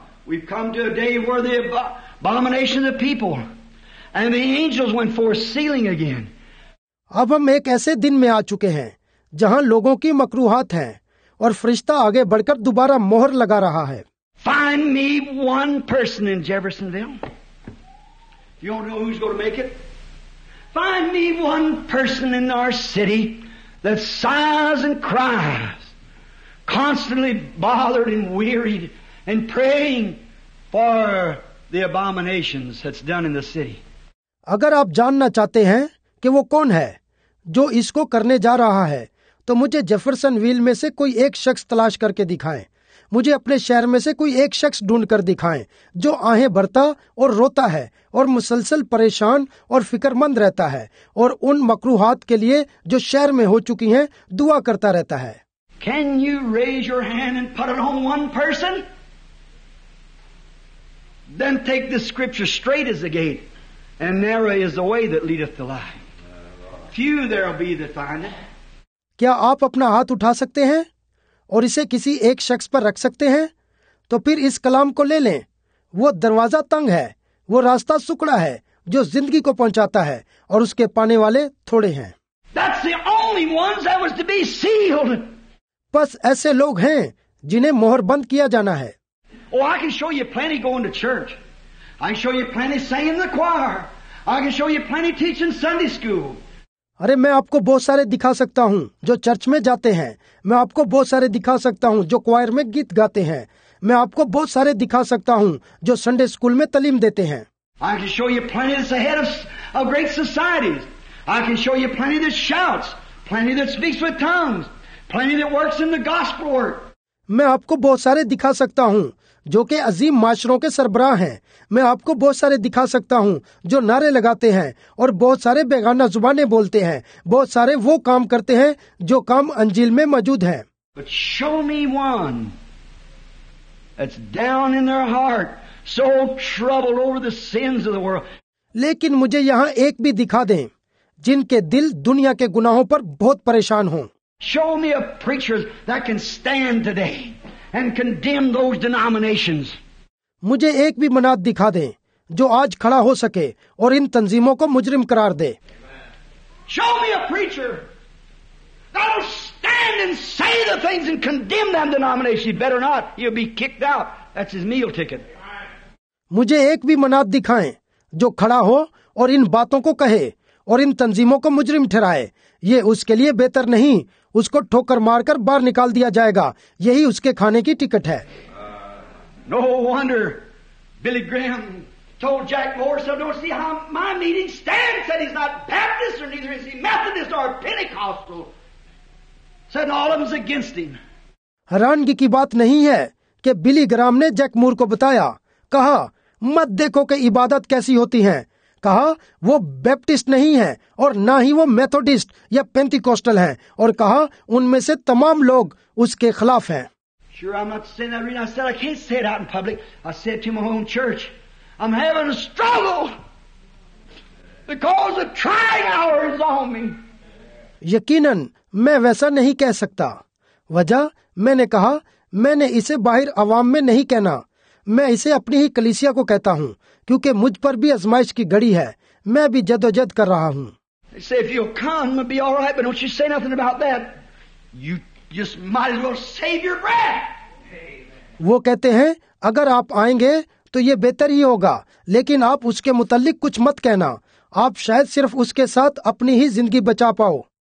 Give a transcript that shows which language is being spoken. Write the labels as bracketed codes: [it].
[en] We've come to a day where the abomination of people and the angels went forth sealing again. [hi] अब हम एक ऐसे दिन में आ चुके हैं जहां लोगों की मकरूहात हैं और फरिश्ता आगे बढ़कर दोबारा मोहर लगा रहा है। [en] Find me one person in Jeffersonville. You don't know who's going to make it. Find me one person in our city that sighs and cries, constantly bothered and wearied. And praying for the abominations that's done in the city. [hi] अगर आप जानना चाहते हैं कि वो कौन है जो इसको करने जा रहा है तो मुझे जेफरसन व्हील में से कोई एक शख्स तलाश करके दिखाएं। मुझे अपने शहर में से कोई एक शख्स ढूंढ कर दिखाएं जो आहें भरता और रोता है और मुसलसल परेशान और फिक्रमंद रहता है और उन मकरूहात के लिए जो शहर में हो चुकी हैं दुआ करता रहता है। [en] Can you raise your hand and put it on one person? Then take this scripture, straight as the gate, and narrow is the way that leadeth to life. Few there will be that find it. [hi] क्या आप अपना हाथ उठा सकते हैं और इसे किसी एक शख्स पर रख सकते हैं? तो फिर इस कलाम को ले लें। वो दरवाजा तंग है, वो रास्ता सुकड़ा है, जो जिंदगी को पहुंचाता है, और उसके पाने वाले थोड़े हैं। [en] That's the only ones that was to be sealed. [hi] बस ऐसे लोग हैं जिन्हें मोहर बंद किया जाना है। [en] Oh, I can show you plenty going to church. I can show you plenty singing the choir. I can show you plenty teaching Sunday school. [hi] अरे मैं आपको बहुत सारे दिखा सकता हूँ जो चर्च में जाते हैं। मैं आपको बहुत सारे दिखा सकता हूँ जो क्वायर में गीत गाते हैं। मैं आपको बहुत सारे दिखा सकता हूँ जो संडे स्कूल में तालीम देते हैं। [en] I can show you plenty that's ahead of great societies. I can show you plenty that shouts, plenty that speaks with tongues, plenty that works in the gospel work. [hi] मैं आपको बहुत सारे दिखा सकता हूँ जो कि अजीम माशरों के सरबराह हैं। मैं आपको बहुत सारे दिखा सकता हूँ जो नारे लगाते हैं और बहुत सारे बेगाना जुबानें बोलते हैं, बहुत सारे वो काम करते हैं जो काम अंजील में मौजूद हैं। [en] But show me one that's down in their heart, so troubled over the sins of the world. [hi] लेकिन मुझे यहाँ एक भी दिखा दें जिनके दिल दुनिया के गुनाहों पर बहुत परेशान हों। [en] Show me a preacher that can stand today and condemn those denominations. [hi] मुझे एक भी मनात दिखा दें जो आज खड़ा हो सके और इन तंजीमों को मुजरिम करार दे। [en] Show me a preacher that will stand and say the things and condemn them denominations. You better not. You'll be kicked out. That's his meal ticket. [hi] मुझे एक भी मनात दिखाएं जो खड़ा हो और इन बातों को कहे और इन तंजीमों को मुजरिम ठहराए। ये उसके लिए बेहतर नहीं, उसको ठोकर मारकर बाहर निकाल दिया जाएगा। यही उसके खाने की टिकट है। [en] No wonder Billy Graham told Jack Morrison, "Don't see how my meeting stands." Said he's not Baptist, or neither is he Methodist or Pentecostal. Said all of them's against him. [hi] हैरानगी की बात नहीं है कि बिली ग्राम ने Jack Moore को बताया, कहा मत देखो कि इबादत कैसी होती है। कहा वो बैप्टिस्ट नहीं है और ना ही वो मेथोडिस्ट या पेंटिकोस्टल है, और कहा उनमें से तमाम लोग उसके खिलाफ हैं। [en] Sure, I'm not saying that. I mean, I said I can't say it out in public. I said to my own church, I'm having a struggle because the trying hour is on me. [hi] यकीनन मैं वैसा नहीं कह सकता। वजह मैंने कहा मैंने इसे बाहर आवाम में नहीं कहना, मैं इसे अपनी ही कलीसिया को कहता हूँ क्योंकि मुझ पर भी अजमाइश की घड़ी है, मैं भी जदोजहद कर रहा हूँ। [en] Say if you'll come, it'll be all right, but don't you say nothing about that. You just might as well save your breath. Amen. [hi] वो कहते हैं अगर आप आएंगे तो ये बेहतर ही होगा, लेकिन आप उसके मुतल्लिक कुछ मत कहना, आप शायद सिर्फ उसके साथ अपनी ही जिंदगी बचा पाओ।